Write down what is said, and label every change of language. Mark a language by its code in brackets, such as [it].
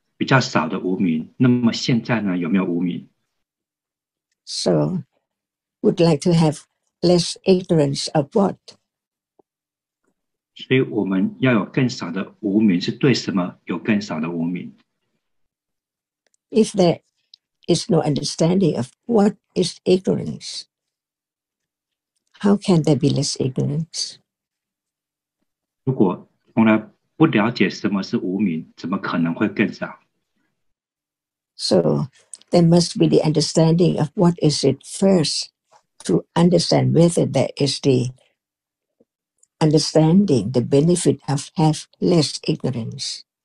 [zh] 为了要有比较少的无明，那么现在呢，有没有无明？ [en] So, would like to have less ignorance of what? [zh] 所以我们要有更少的无明，是对什么有更少的无明？ [en] If there is no understanding of what is ignorance, how can there be less ignorance? [zh] 如果从来不了解什么是无明，怎么可能会更少？ [en] So, there must be the understanding of what is it first to understand whether there is the understanding, the benefit of have less ignorance.